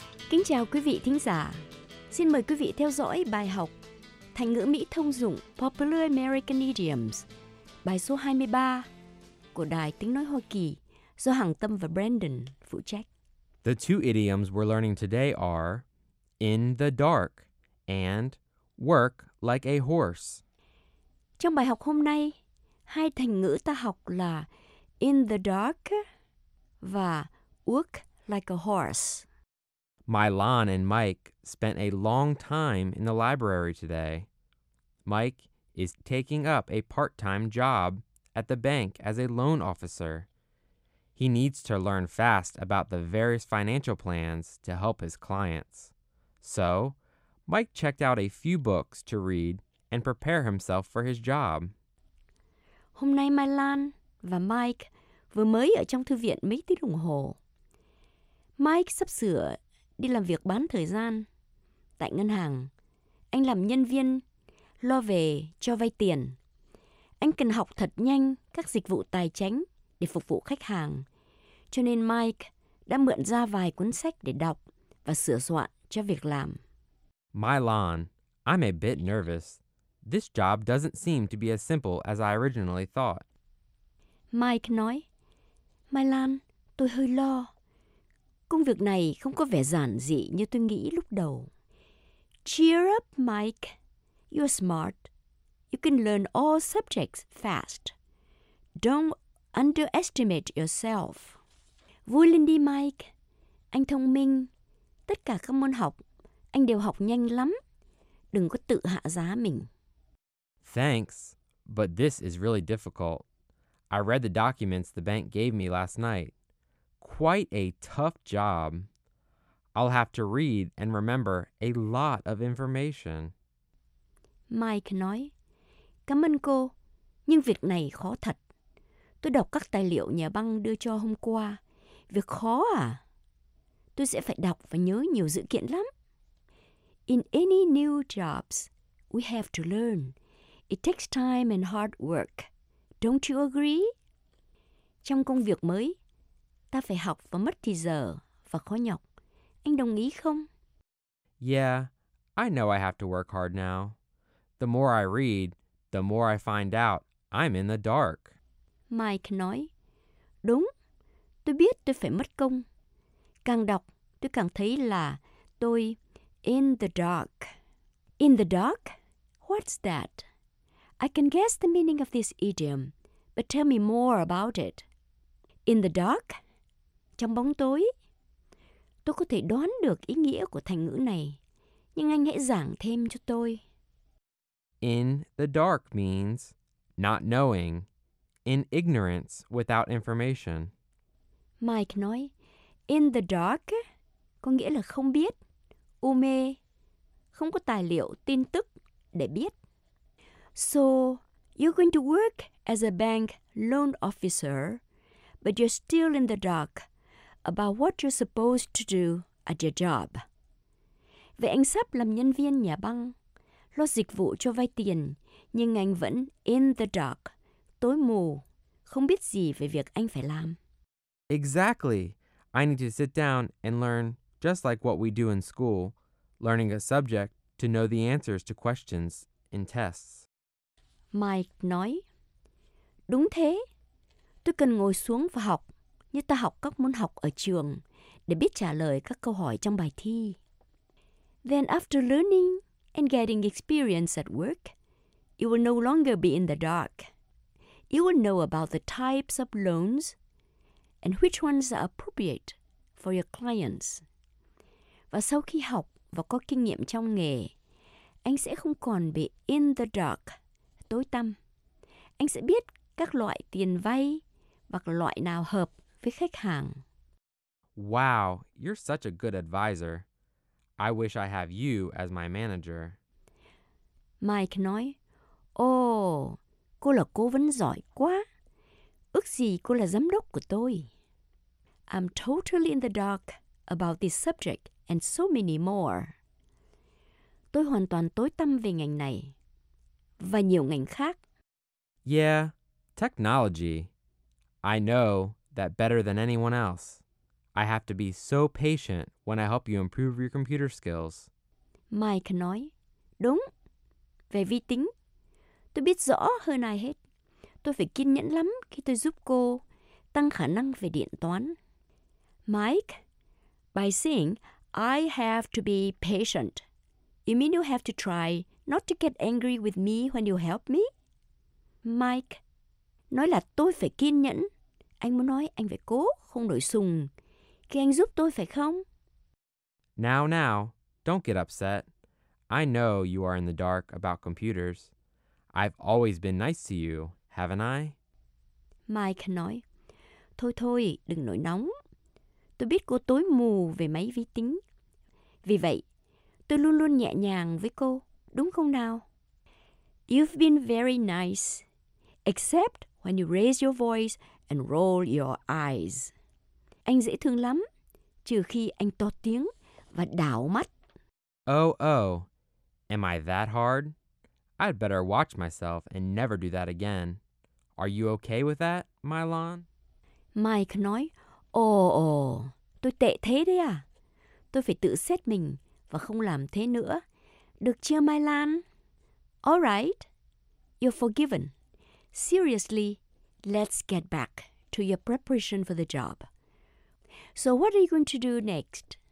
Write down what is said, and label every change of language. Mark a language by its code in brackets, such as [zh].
[vi] Kính chào quý vị thính giả. Xin mời quý vị theo dõi bài học thành ngữ Mỹ thông dụng Popular American Idioms, bài số 23 của Đài Tiếng Nói Hoa Kỳ do Hằng Tâm và Brandon phụ trách. [en] The two idioms we're learning today are in the dark and work like a horse. [vi] Trong bài học hôm nay, hai thành ngữ ta học là [en] in the dark [vi] và [en] work like a horse. Mylon and Mike spent a long time in the library today. Mike is taking up a part-time job at the bank as a loan officer. He needs to learn fast about the various financial plans to help his clients. So, Mike checked out a few books to read and prepare himself for his job. [vi] Hôm nay Mylon và Mike vừa mới ở trong thư viện mấy tiếng đồng hồ. Mike sắp sửa đi làm việc bán thời gian tại ngân hàng. Anh làm nhân viên lo về cho vay tiền. Anh cần học thật nhanh các dịch vụ tài chính để phục vụ khách hàng. Cho nên Mike đã mượn ra vài cuốn sách để đọc và sửa soạn cho việc làm. [en] Mylon, I'm a bit nervous. This job doesn't seem to be as simple as I originally thought. [vi] Mike nói, Mylon, tôi hơi lo. Công việc này không có vẻ giản dị như tôi nghĩ lúc đầu. [en] Cheer up, Mike. You're smart. You can learn all subjects fast. Don't underestimate yourself. [vi] Vui lên đi, Mike. Anh thông minh. Tất cả các môn học, anh đều học nhanh lắm. Đừng có tự hạ giá mình. [en] Thanks, but this is really difficult. I read the documents the bank gave me last night. Quite a tough job. I'll have to read and remember a lot of information. [vi] Mike nói, cảm ơn cô, nhưng việc này khó thật. Tôi đọc các tài liệu nhà băng đưa cho hôm qua. Việc khó à? Tôi sẽ phải đọc và nhớ nhiều dữ kiện lắm. [en] In any new jobs, we have to learn. It takes time and hard work. Don't you agree? [vi] Trong công việc mới, ta phải học và mất thì giờ và khó nhọc. Anh đồng ý không? [en] Yeah, I know I have to work hard now. The more I read, the more I find out I'm in the dark. [vi] Mike nói, đúng, tôi biết tôi phải mất công. Càng đọc, tôi càng thấy là tôi [en] in the dark. In the dark? What's that? I can guess the meaning of this idiom, but tell me more about it. In the dark? [vi] Trong bóng tối, tôi có thể đoán được ý nghĩa của thành ngữ này, nhưng anh hãy giảng thêm cho tôi. [en] In the dark means not knowing, in ignorance without information. [vi] Mike nói, [en] in the dark [vi] có nghĩa là không biết, u mê, không có tài liệu, tin tức để biết. [en] So, you're going to work as a bank loan officer, but you're still in the dark about what you're supposed to do at your job. [vi] Vậy anh sắp làm nhân viên nhà băng, lo dịch vụ cho vay tiền, nhưng anh vẫn [en] in the dark, [vi] tối mù, không biết gì về việc anh phải làm. [en] Exactly. I need to sit down and learn, just like what we do in school, learning a subject to know the answers to questions in tests. [vi] Mike nói, đúng thế. Tôi cần ngồi xuống và học, như ta học các môn học ở trường, để biết trả lời các câu hỏi trong bài thi. [en] Then after learning and getting experience at work, you will no longer be in the dark. You will know about the types of loans and which ones are appropriate for your clients. [vi] Và sau khi học và có kinh nghiệm trong nghề, anh sẽ không còn bị [en] in the dark, [vi] tối tăm. Anh sẽ biết các loại tiền vay và loại nào hợp với khách hàng. [en] Wow, you're such a good advisor. I wish I have you as my manager. [vi] Mike nói, cô là cố vấn giỏi quá. Ước gì cô là giám đốc của tôi. [en] I'm totally in the dark about this subject and so many more. [vi] Tôi hoàn toàn tối tăm về ngành này và nhiều ngành khác. [en] Yeah, technology. I know that better than anyone else. I have to be so patient when I help you improve your computer skills. [vi] Mike nói, đúng, về vi tính. Tôi biết rõ hơn ai hết. Tôi phải kiên nhẫn lắm khi tôi giúp cô tăng khả năng về điện toán. [en] Mike, by saying, I have to be patient, you mean you have to try not to get angry with me when you help me? [vi] Mike, nói là tôi phải kiên nhẫn. Anh muốn nói anh phải cố, không nổi sùng. Khi anh giúp tôi phải không? [en] Now, don't get upset. I know you are in the dark about computers. I've always been nice to you, haven't I? [vi] Mike nói, Thôi, đừng nổi nóng. Tôi biết cô tối mù về máy vi tính. Vì vậy, tôi luôn luôn nhẹ nhàng với cô, đúng không nào? [en] You've been very nice, except when you raise your voice and roll your eyes. [vi] Anh dễ thương lắm, trừ khi anh to tiếng và đảo mắt. [en] Oh, am I that hard? I'd better watch myself and never do that again. Are you okay with that, Mylon? [vi] Mike nói, Oh, tôi tệ thế đấy à. Tôi phải tự xét mình và không làm thế nữa. Được chưa, [en] Mylon? All right, you're forgiven. Seriously, let's get back to your preparation for the job. So what are you going to do next?